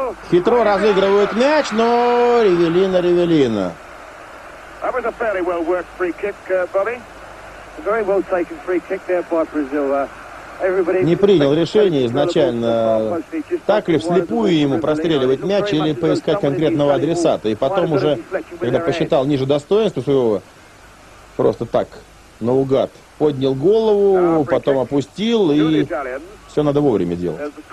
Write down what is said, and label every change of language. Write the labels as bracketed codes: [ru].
[ru] Хитро разыгрывают мяч, но Риверино. [en] That was a fairly well worked free kick, Bobby. Very well taken free kick there by Brazil. [ru] Не принял решение изначально, так ли вслепую ему простреливать мяч или поискать конкретного адресата. И потом уже, когда посчитал ниже достоинства своего, просто так, наугад, поднял голову, потом опустил, и все надо вовремя делать.